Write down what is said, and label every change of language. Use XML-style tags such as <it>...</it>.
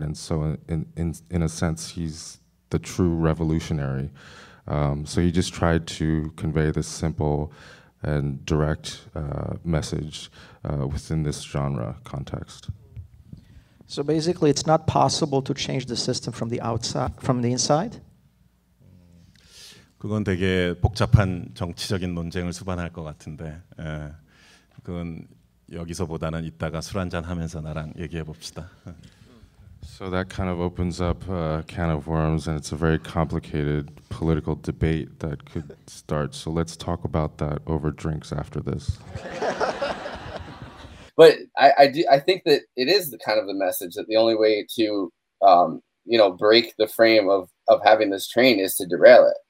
<en>And so in a sense, he's the true revolutionary. So he just tried to convey this simple and direct message within this genre context. So basically, it's not possible to change the system from the outside, from the inside?</en> <ko>그건 되게 복잡한 정치적인 논쟁을 수반할 것 같은데, 예, 그건 여기서보다는 이따가 술 한잔 하면서 나랑 얘기해 봅시다.</ko> <en>So that kind of opens up a can of worms, and it's a very complicated political debate that could start. So let's talk about that over drinks after this. But I think that it is the kind of the message that the only way to break the frame of having this train is to derail it.</en>